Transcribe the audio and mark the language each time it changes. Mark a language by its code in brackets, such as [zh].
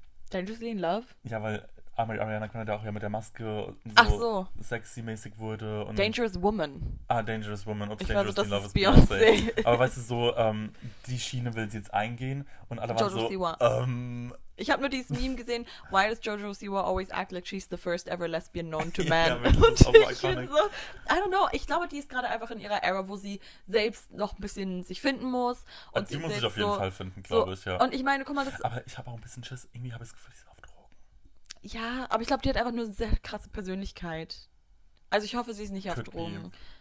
[en] Dangerously in Love? [de] Ja, weil Ariana Grande auch ja mit der Maske so sexy-mäßig wurde. Und Dangerous Woman. Ah, Dangerous Woman. Ups, ich Dangerous weiß, in Love ist Beyoncé. Aber weißt du, so die Schiene will sie jetzt eingehen. Und alle waren Jojo so, Siwa. Ich habe nur dieses Meme gesehen. [en] Why does Jojo Siwa always act like she's the first ever lesbian known to man? I don't know. [de] Ich glaube, die ist gerade einfach in ihrer Era, wo sie selbst noch ein bisschen sich finden muss. Und sie muss sich auf jeden Fall finden, glaube ich, ja. Und ich meine, guck mal, das. Aber ich habe auch ein bisschen Schiss. Irgendwie habe ich das Gefühl, sie ist auf Drogen. Ja, aber ich glaube, die hat einfach nur eine sehr krasse Persönlichkeit. Also ich hoffe, sie ist nicht auf Drogen.